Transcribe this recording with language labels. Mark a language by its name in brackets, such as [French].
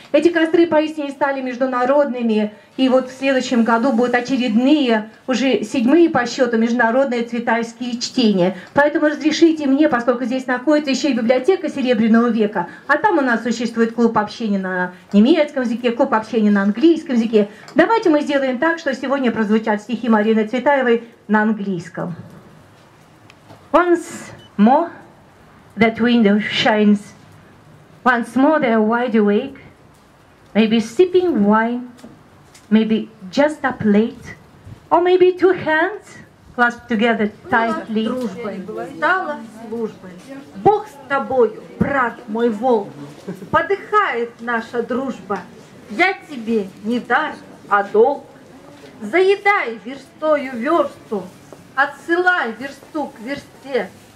[Russian] Эти костры поистине стали международными, и вот в следующем году будут очередные, уже седьмые по счету, международные цветаевские чтения. Поэтому разрешите мне, поскольку здесь находится еще и библиотека Серебряного века, а там у нас существует клуб общения на немецком языке, клуб общения на английском языке. Давайте мы сделаем так, что сегодня прозвучат стихи Марины Цветаевой на английском. [English] Once more that window shines, once more they're wide awake, maybe sipping wine, maybe just up late, or maybe two hands clasped together tightly. [Russian] Дружбой стала службой. Бог с тобою, брат мой волк. Подыхает наша дружба. Я тебе не дар, а долг. Заедай верстою версту, отсылай версту к версте.